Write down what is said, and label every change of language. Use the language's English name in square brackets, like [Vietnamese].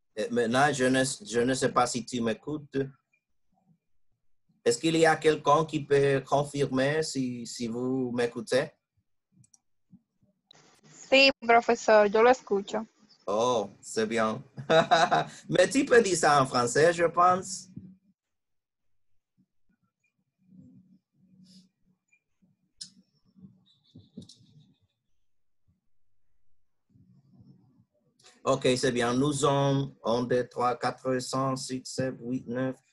[French] Maintenant, je ne sais pas si tu m'écoutes. Est-ce qu'il y a quelqu'un qui peut confirmer si vous m'écoutez? [Spanish] Sí, profesor, yo lo escucho. [French] Oh, c'est bien. Mais tu peux dire ça en français, je pense. Ok, c'est bien. Nous sommes 1, 2, 3, 4, 5, 6, 7, 8, 9.